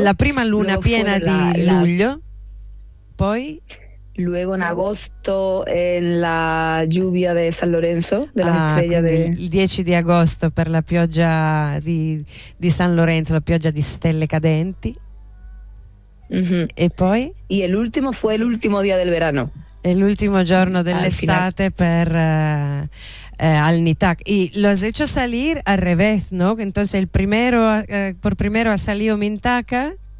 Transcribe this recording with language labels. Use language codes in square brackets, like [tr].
[it] la prima luna piena di luglio, poi [es] luego en agosto en la lluvia de San Lorenzo de la estrella de [it] il 10 di agosto per la pioggia di San Lorenzo, la pioggia di stelle cadenti. E poi [es] y el último fue el último día del verano. El último [it] giorno dell'estate per [es] Al-Nitak. Y lo has hecho salir al revés, ¿no? Entonces el primero por primero ha salido Mintaka.